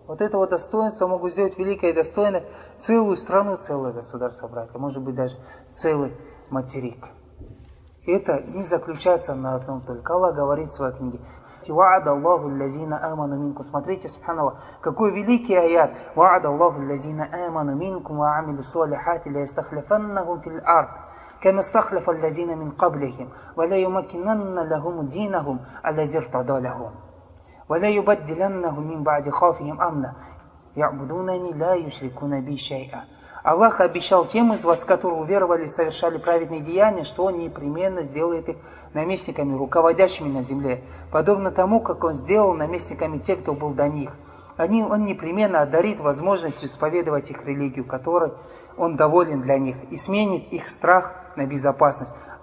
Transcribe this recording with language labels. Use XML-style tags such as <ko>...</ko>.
<ru>Вот это вот достоинство могут сделать великой и достойной целую страну, целое государство, братья, может быть, даже целый материк. Это не заключается на одном только. Аллах говорит в своей книге.</ru> <ar>Ва'ада Аллаху аллазина аману минкум.</ar> <ru>Смотрите, субханаллах, какой великий аят.</ru> <ar>Ва'ада Аллаху аллазина аману минкум ва амилу салихати ля ястахлифаннахум фил ард. كما استخلف الذين من قبلهم ولا يمكنن لهم دينهم الذي ارتضى لهم ولا يبدلنهم من بعد خوفهم امنا يعبدونني لا يشركون بي شيئا.</ar> <ru>Аллах обещал тем из вас, которые уверовали и совершали праведные деяния, что Он непременно сделает их наместниками, руководящими на земле, подобно тому, как Он сделал наместниками тех, кто был до них. Он непременно одарит возможностью исповедовать их религию, которой Он доволен для них, и сменит их страх на безопасность.</ru>